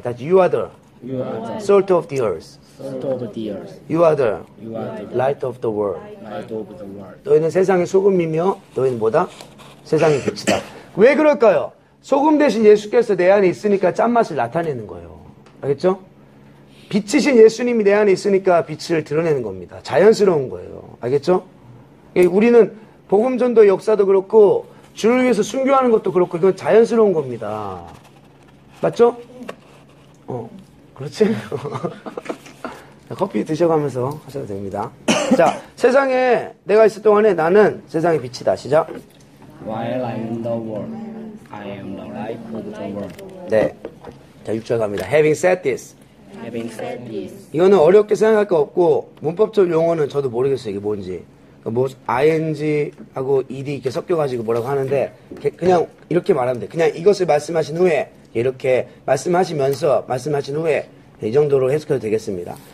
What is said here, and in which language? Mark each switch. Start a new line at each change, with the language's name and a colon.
English: That you are the salt of the earth. You are the light of the world.
Korean: 너희는 세상의 소금이며 너희는 뭐다? 세상의 빛이다. 왜 그럴까요? 소금 대신 예수께서 내 안에 있으니까 짠맛을 나타내는 거예요. 알겠죠? 빛이신 예수님이 내 안에 있으니까 빛을 드러내는 겁니다. 자연스러운 거예요. 알겠죠? 우리는 복음 전도 역사도 그렇고 주를 위해서 순교하는 것도 그렇고 이건 자연스러운 겁니다. 맞죠? 그렇지? 커피 드셔가면서 하셔도 됩니다. 자, 세상에 내가 있을 동안에 나는 세상의 빛이다. 시작.
English: While I'm in the world, I am the light of the world.
Korean: 네. 자, 6절 갑니다.
English: Having said this. Having said this.
Korean: 이거는 어렵게 생각할 거 없고 문법적 용어는 저도 모르겠어요. 이게 뭔지. 뭐 ing하고 ed 이렇게 섞여가지고 뭐라고 하는데 그냥 이렇게 말하면 돼. 그냥 이것을 말씀하신 후에 이렇게 말씀하시면서 말씀하신 후에 이 정도로 해석해도 되겠습니다.